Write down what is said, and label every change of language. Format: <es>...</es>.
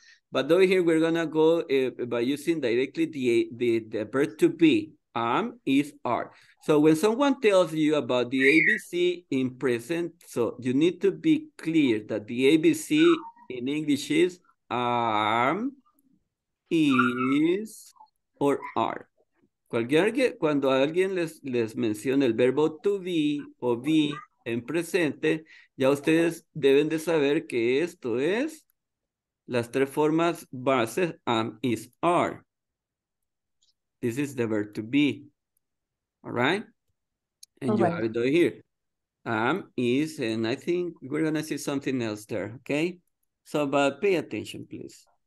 <en>But over here, we're gonna go by using directly the verb to be. Am, is, are. So when someone tells you about the ABC in present, so you need to be clear that the ABC in English is am, is, or are.</en> <es>Cuando alguien les menciona el verbo to be o be en presente, ya ustedes deben de saber que esto es las tres formas bases, am, is, are.</es> <en>This is the verb to be, all right? And okay. You have it over here. Am, is, and I think we're gonna see something else there, okay? So, but pay attention, please.</en>